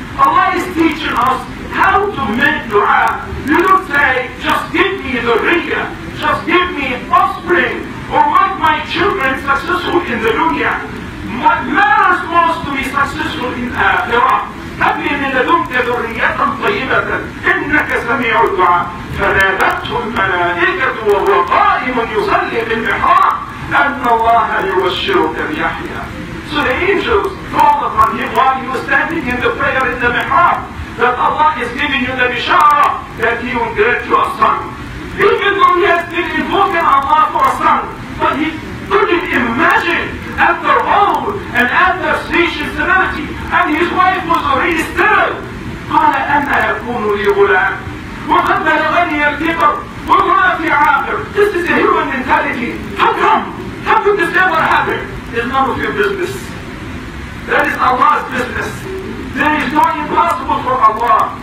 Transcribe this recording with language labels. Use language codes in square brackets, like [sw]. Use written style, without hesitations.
[en] Allah is teaching us how to make dua. You don't say, just give me dhurriyyah, just give me offspring, or make my children successful in the dunya. What matters most to be successful in akhirah. [ar] هَبْنِي مِنْ لَدُنْكَ ذُرِّيَّةً طَيِّبَةً إِنَّكَ سَمِيعُ الدُعَاءِ. فنادته الملائكة وهو قائم يصلي في المحراب أن الله يبشرك بيحيى. [en] So the angels called upon him while he was standing in the prayer in the mihrab that Allah is giving you the bishara that he will grant you a son. Even though he has been invoking Allah for a son, but he couldn't imagine after all and after station serenity, and his wife was already sterile. [ar] قال أنا يكون لي غلام وقد بلغني الكبر وامرأتي عاقر. [en] This is a human mentality. How come? How could this ever happen? It's none of your business. That is Allah's business. There is no impossible for Allah.